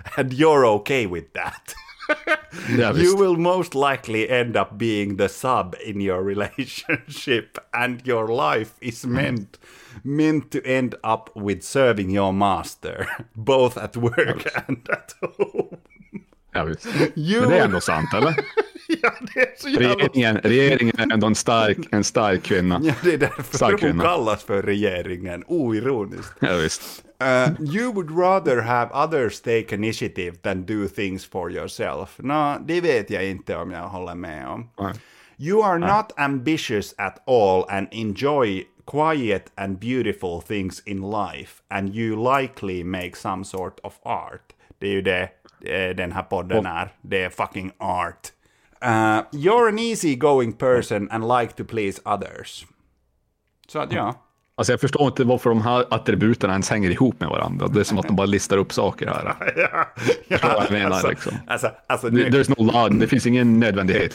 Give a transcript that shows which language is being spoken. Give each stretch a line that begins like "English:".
English: And you're okay with that. Yeah, you will most likely end up being the sub in your relationship. And your life is meant to end up with serving your master. Both at work and at home. Yeah, you...
Swedish: Men det är ändå sant, eller? Ja, det är så jävla... Regeringen är ändå en stark kvinna. Ja, det är därför stark hon kvinna. Kallas för regeringen. Oironiskt. Ja, visst.
English: You would rather have others take initiative than do things for yourself.
Swedish: No, det vet jag inte om jag håller med om.
English: You are not ambitious at all and enjoy quiet and beautiful things in life. And you likely make some sort of art.
Swedish: Det är ju det den här podden är. Det är fucking art.
English: You're an easygoing person and like to please others.
Swedish: Så att ja. Alltså jag förstår inte varför de här attributerna ens hänger ihop med varandra. Det är som att de bara listar upp saker här.
English: There's no lag,
Swedish: det finns ingen nödvändighet.